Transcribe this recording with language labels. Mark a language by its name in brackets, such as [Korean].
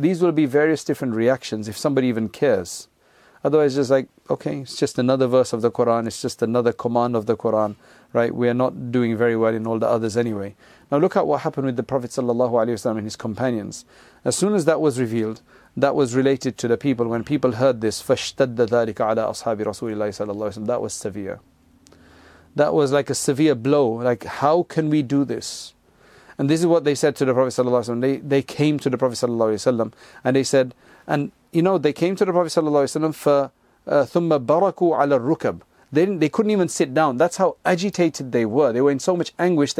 [English] These will be various different reactions if somebody even cares. Otherwise, just like, okay, it's just another verse of the Quran. It's just another command of the Quran. Right? We are not doing very well in all the others anyway. Now look at what happened with the Prophet sallallahu alaihi wasallam and his companions. As soon as that was revealed, that was related to the people. When people heard this, [Arabic] فَاشْتَدَّ ذَلِكَ عَلَىٰ أَصْحَابِ رَسُولِ اللَّهِ صَلَى اللَّهُ عَلَيْهِ وَسَلَّمَ. [English] That was severe. That was like a severe blow. Like, how can we do this? And this is what they said to the Prophet صلى الله عليه وسلم. They came to the Prophet صلى الله عليه وسلم, and they said, and you know, they came to the Prophet صلى الله عليه وسلم, [Arabic] فَثُمَّ بَرَكُوا عَلَىٰ الرُّكَبِ. [English] They couldn't even sit down. That's how agitated they were. They were in so much anguish.